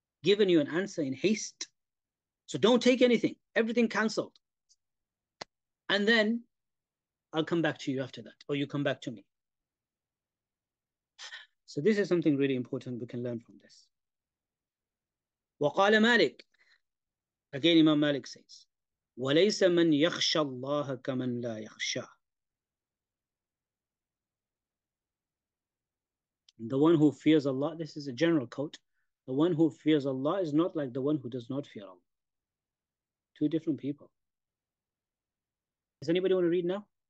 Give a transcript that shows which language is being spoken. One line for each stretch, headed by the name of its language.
English: given you an answer in haste. So don't take anything. Everything cancelled. And then I'll come back to you after that, or you come back to me. So this is something really important we can learn from this.
Arabic: وَقَالَ مَالِكُ.
English: Again, Imam Malik says,
Arabic: وَلَيْسَ مَنْ يَخْشَى اللَّهَ كَمَنْ لَا يَخْشَى.
English: The one who fears Allah, this is a general quote, the one who fears Allah is not like the one who does not fear Allah. Two different people. Does anybody want to read now?